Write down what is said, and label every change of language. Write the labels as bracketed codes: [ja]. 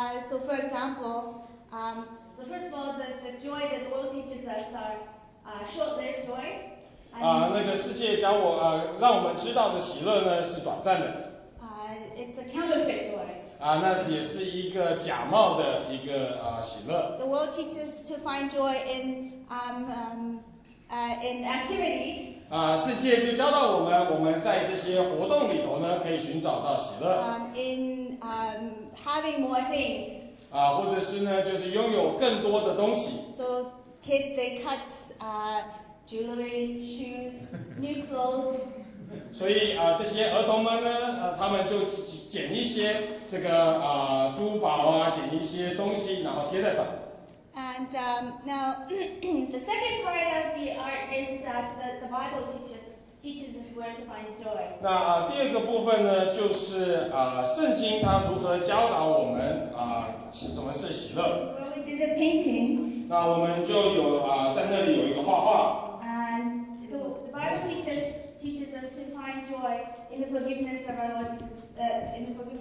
[en] So for example, so first of all, the joy that the world teaches us are short-lived joy. [zh] 那个世界教我让我们知道的喜乐呢是短暂的。 [en] It's a counterfeit joy. [zh] 那也是一个假冒的一个喜乐。 [en] The world teaches to find joy in in activity. [zh] 世界就教导我们，我们在这些活动里头呢，可以寻找到喜乐。 [en] In having more things. [zh] 或者是呢，就是拥有更多的东西。 [en] So kids, they cut jewelry, shoes, new clothes. [zh] 所以这些儿童们呢，他们就捡一些这个珠宝啊，捡一些东西，然后贴在上。 [en] And now the second part of the art is that the Bible teaches us where to find joy. [zh] 那第二个部分呢，就是圣经它如何教导我们什么是喜乐。 [en] Well, we did a painting. [zh] 那我们就有在那里有一个画画。 [en] And the Bible teaches us to find joy in the forgiveness of our